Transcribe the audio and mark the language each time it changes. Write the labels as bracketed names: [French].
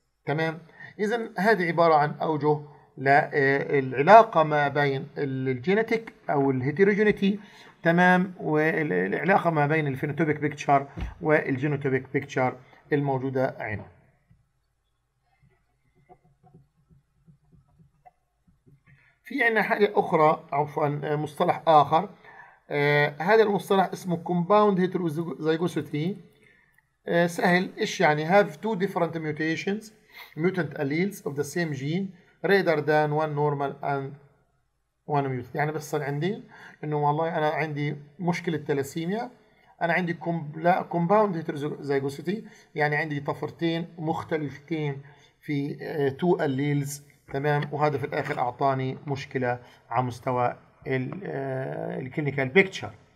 [Arabic] تمام اذا هذه عباره عن اوجه لا العلاقة ما بين الجينيتيك أو الهيتروجينيتي تمام والعلاقة ما بين الفينوتوبيك بيكتشر والجينوتوبيك بيكتشر الموجودة عنا. في عنا حاجة أخرى عفوا مصطلح آخر هذا المصطلح اسمه compound heterozygosity سهل. إيش يعني [English] have two different mutations mutant alleles of the same gene rather than one normal and one mutant. [Arabic] يعني بس صار عندي انه والله انا عندي مشكله تلاسيميا انا عندي كومباوند هيتروزايجوسيتي يعني عندي طفرتين مختلفتين في تو alleles تمام وهذا في الاخر اعطاني مشكله على مستوى الكلينيكال بيكتشر.